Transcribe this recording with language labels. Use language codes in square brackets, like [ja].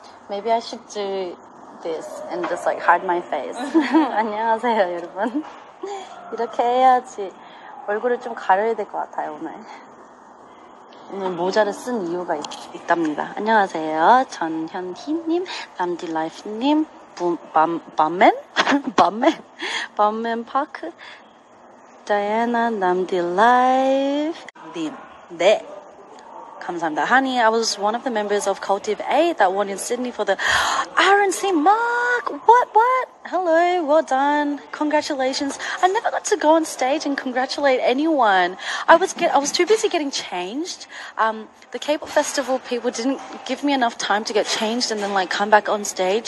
[en] Maybe I should do this and just like hide my face. [ko] 안녕하세요, 여러분. 이렇게 해야지 얼굴을 좀 가려야 될 것 같아요, 오늘. 오늘 모자를 쓴 이유가 있답니다. 안녕하세요, 전현희님, 남디라이프님, 밤맨? 밤맨? 밤맨 파크, 다이애나 남디라이프님. 네. 감사합니다. [en] Honey, I was one of the members of Cultive 8 that won in Sydney for the RNC Mark. What, what? Hello, well done. Congratulations. I never got to go on stage and congratulate anyone. I was too busy getting changed. The cable festival people didn't give me enough time to get changed and then like come back on stage.